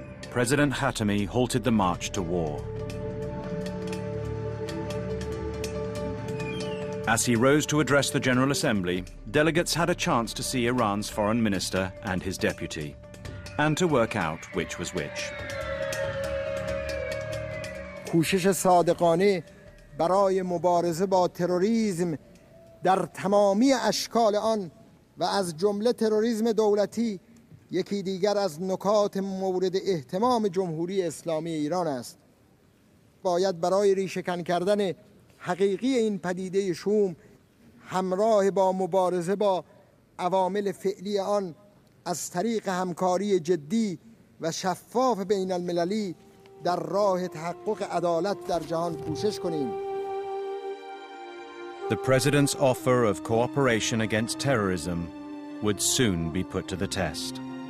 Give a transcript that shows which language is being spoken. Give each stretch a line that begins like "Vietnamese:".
English: President Khatami halted the march to war. As he rose to address the General Assembly, delegates had a chance to see Iran's foreign minister and his deputy, and to work out which was which.
Persian: کوشش صادقانه برای مبارزه با تروریسم در تمامی اشکال آن و از جمله تروریسم دولتی یکی دیگر از نکات مورد اهتمام جمهوری اسلامی ایران است. باید برای ریشه‌کن کردن حقیقی این پدیده شوم همراه با مبارزه با عوامل فعلی آن از طریق همکاری جدی و شفاف بین المللی در راه تحقق عدالت در جهان کوشش کنیم.
English: The president's offer of cooperation against terrorism would soon be put to the test.